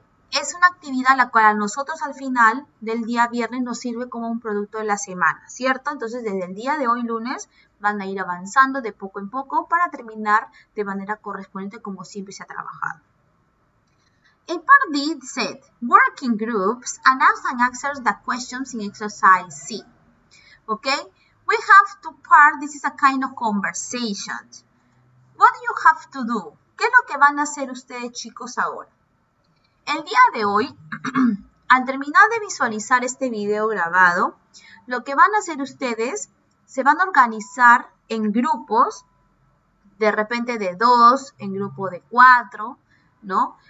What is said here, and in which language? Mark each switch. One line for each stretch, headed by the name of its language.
Spanish: Es una actividad la cual a nosotros al final del día viernes nos sirve como un producto de la semana, ¿cierto? Entonces, desde el día de hoy, lunes, van a ir avanzando de poco en poco para terminar de manera correspondiente como siempre se ha trabajado.
English: A part D said, work in groups and ask and answer the questions in exercise C. Okay? We have to part, this is a kind of conversation. What do you have to do?
Spanish: ¿Qué es lo que van a hacer ustedes, chicos, ahora? El día de hoy, al terminar de visualizar este video grabado, lo que van a hacer ustedes, se van a organizar en grupos, de repente de 2, en grupo de 4, ¿no?